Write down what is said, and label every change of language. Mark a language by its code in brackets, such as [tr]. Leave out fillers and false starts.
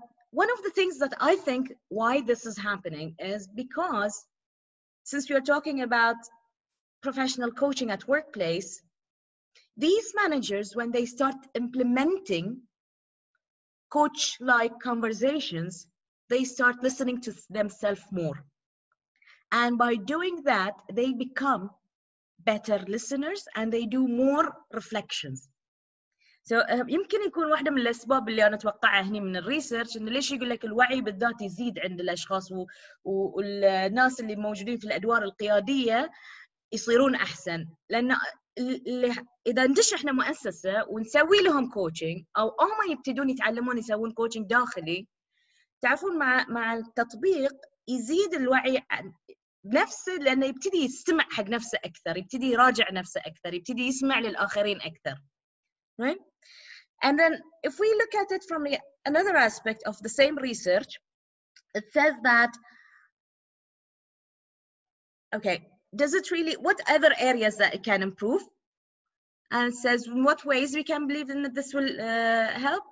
[en] One of the things that I think why this is happening is because, since we are talking about professional coaching at workplace, these managers, when they start implementing coach-like conversations, they start listening to themselves more. And by doing that, they become better listeners and they do more reflections. [ar] So يمكن يكون واحدة من الأسباب اللي أنا أتوقعها هني من الريسيرش إن ليش يقول لك الوعي بالذات يزيد عند الأشخاص والناس اللي موجودين في الأدوار القيادية يصيرون أحسن. لأن إذا ندش إحنا مؤسسة ونسوي لهم كوتشنج أو هم يبتدون يتعلمون يسوون كوتشنج داخلي، تعرفون مع التطبيق يزيد الوعي نفسه، لأنه يبتدي يستمع حق نفسه أكثر، يبتدي يراجع نفسه أكثر، يبتدي يسمع للآخرين أكثر. [en] Right? And then if we look at it from another aspect of the same research, it says that, okay, does it really, what other areas that it can improve? And it says, in what ways we can believe in that this will help?